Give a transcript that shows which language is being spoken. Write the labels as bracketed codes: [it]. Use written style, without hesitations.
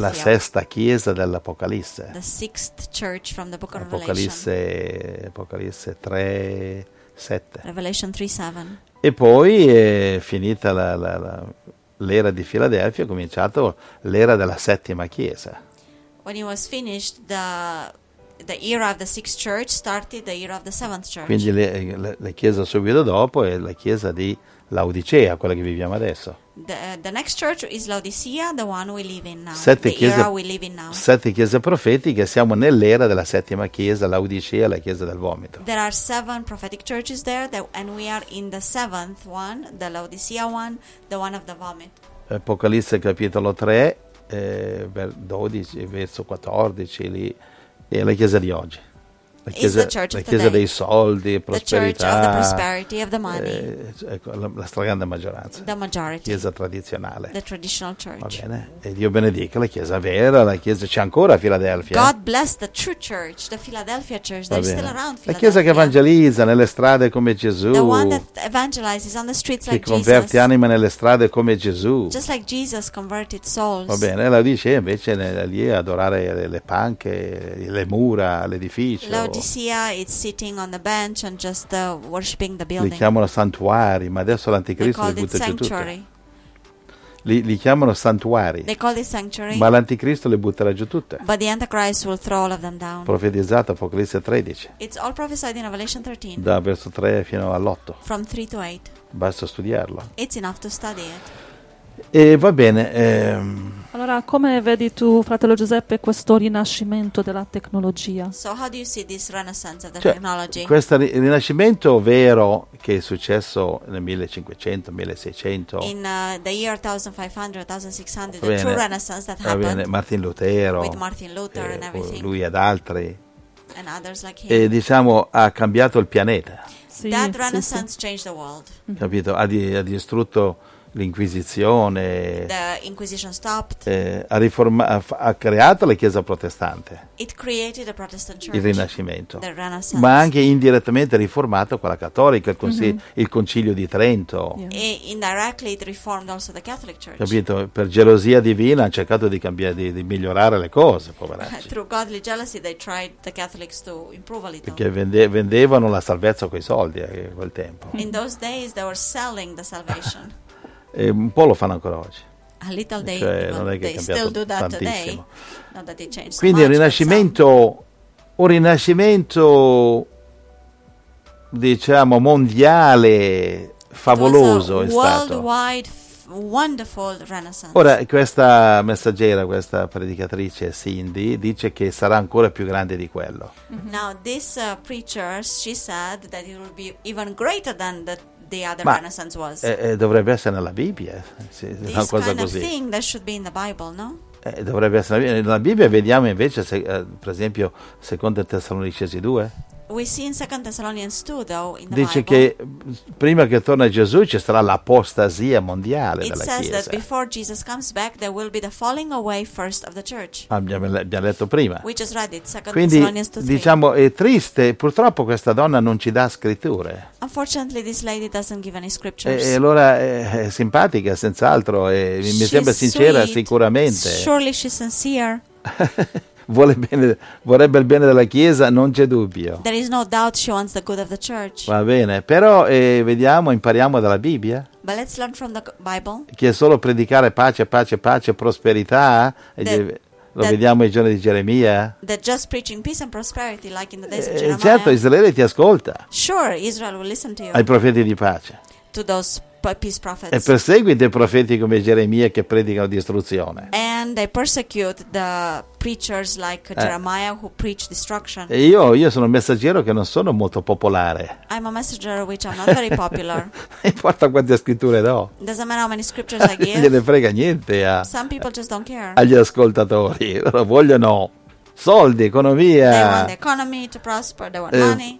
[it] La sesta Chiesa dell'Apocalisse. [en] The sixth church from the Book of [it] Apocalisse 3, 7. [en] Revelation 3, 7. [it] E poi è finita l'era di Filadelfia, è cominciato l'era della settima Chiesa. [en] When it was finished, the era of the sixth church started the era of the seventh church. [it] Quindi la chiesa subito dopo è la chiesa di Laodicea, quella che viviamo adesso. [en] The next church is Laodicea, the one we live in now. [it] Sette chiese, [en] era we live in now. [it] Sette chiese profetiche, siamo nell'era della settima chiesa, Laodicea, la chiesa del vomito. There are seven prophetic churches there and we are in the seventh one, the Laodicea one, the one of the vomit. Apocalisse capitolo 3 12 verso 14 lì. È la chiesa di oggi, la chiesa dei soldi, prosperità, la stragrande maggioranza, la chiesa tradizionale, [en] the traditional church. [it] Va bene? E Dio benedica la chiesa vera, la chiesa c'è ancora a Filadelfia. [en] God bless the true church, the Philadelphia church. They're still around Philadelphia. [it] La chiesa che evangelizza nelle strade come Gesù, [en] the one that evangelizes on the streets like [it] Jesus, converte anime nelle strade come Gesù, [en] just like Jesus converted souls. [it] Va bene, la dice invece lì adorare le panche, le mura, l'edificio. La [en] Laodicea is sitting on the bench and just worshiping the building. [it] Li chiamano santuari, ma adesso l'anticristo li butta giù tutto. Li chiamano santuari. [en] They call it sanctuary. [it] Ma l'anticristo le butterà giù tutte. [en] But the Antichrist will throw all of them down. [it] Profetizzato Apocalisse 13. [en] It's all prophesied in Revelation 13. [it] Da verso 3 fino all'8. [en] From 3 to 8. [it] Basta studiarlo. [en] It's enough to study it. [it] E va bene. Allora, come vedi tu, fratello Giuseppe, questo rinascimento della tecnologia? [en] So how do you see this renaissance of the technology? [it] Questo rinascimento vero che è successo nel 1500, 1600. [en] In the year 1500, 1600, the true renaissance that happened. [it] Va bene, Martin Lutero. [en] With Martin Luther and everything. [it] Lui ed altri. [en] And others like him. [it] E diciamo ha cambiato il pianeta. [en] Sì, that renaissance changed the world. [it] Capito? Ha distrutto l'Inquisizione, [en] the Inquisition stopped. [it] Ha creato la Chiesa protestante. [en] It created a Protestant Church. [it] Il Rinascimento. [en] The Renaissance. [it] Ma anche indirettamente riformato quella cattolica, il Concilio di Trento. [en] Yeah. Indirectly it reformed also the Catholic Church. [it] Capito? Per gelosia divina hanno cercato di cambiare, di migliorare le cose, poveracci. [en] Through godly jealousy they tried the Catholics to improve a little. [it] Perché vendevano la salvezza coi soldi a quel tempo. [en] In those days they were selling the salvation. [it] E un po' lo fanno ancora oggi. [en] A little day, cioè, [it] non è che [en] they still do that [it] tantissimo. [en] Today. Not that they change. [it] Quindi [en] so much, [it] un rinascimento, diciamo, mondiale, favoloso è stato. [en] Worldwide, wonderful renaissance. [it] Ora, questa messaggera, questa predicatrice Cindy, dice che sarà ancora più grande di quello. Mm-hmm. [en] Now, this preacher, she said that it will be even greater than that. The other [it] Ma [en] renaissance was. [it] Dovrebbe essere nella Bibbia, sì, [en] this [it] una cosa [en] kind of [it] così. [en] Thing that should be in the Bible, no? [it] Dovrebbe essere nella Bibbia. Nella Bibbia vediamo invece, se, per esempio, Seconda Tessalonicesi 2. [en] We see in Second Thessalonians 2, though, in the [it] dice [en] Bible, [it] che prima che torna Gesù ci sarà l'apostasia mondiale della Chiesa. [en] It says that before Jesus comes back there will be the falling away first of the church. [it] Abbiamo letto prima. [en] We just read it, Second [it] Quindi, [en] Thessalonians 2. [it] Diciamo è triste, purtroppo questa donna non ci dà scritture. [en] Unfortunately, this lady doesn't give any scriptures. [it] E allora è simpatica, senz'altro, e mi sembra sincera, [en] sweet. [it] Sicuramente. [en] Surely she's sincere. [it] Vuole bene, vorrebbe il bene della Chiesa, non c'è dubbio. [en] There is no doubt she wants the good of the church. [it] Va bene, però vediamo, impariamo dalla Bibbia. [en] But let's learn from the Bible. [it] Che è solo predicare pace, pace, pace, prosperità. Lo vediamo ai giorni di Geremia. [en] That just preaching peace and prosperity, like in the days of Jeremiah. [it] Certo, Israele ti ascolta. [en] Sure, Israel will listen to you. [it] Ai profeti di pace. [en] To those peace prophets. [it] E perseguite i profeti come Geremia che predicano distruzione. [en] And they persecute the preachers like Jeremiah who preach destruction. [it] E io sono un messaggero che non sono molto popolare. [en] I'm a messenger which I'm not very popular. [it] Non importa quante scritture do. [en] Doesn't matter how many scriptures I give. [it] Non gliene frega niente. [en] Some people just don't care. [it] Agli ascoltatori, loro vogliono soldi, economia. [en] They want the economy to prosper, they want money.